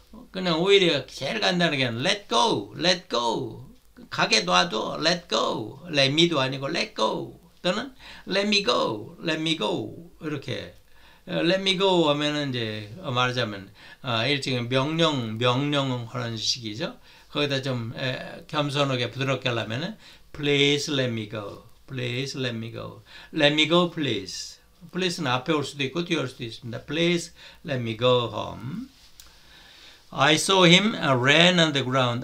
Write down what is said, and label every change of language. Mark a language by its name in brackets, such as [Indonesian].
[Korean] 그냥 오히려 제일 간단하게 [English] Let go. Let go. [Korean] 가게 놔둬, [English] let go, let me [Korean] 도 아니고 [English] let go [Korean] 또는 [English] let me go, let me go [Korean] 이렇게 [English] let me go [Korean] 하면은 이제 말하자면 일종의 명령 그런 식이죠. 거기다 좀 겸손하게 부드럽게 하려면은 [English] please let me go, please let me go, let me go please. [Korean] please는 앞에 올 수도 있고 뒤에 올 수도 있습니다. [English] please let me go home. I saw him ran on the ground.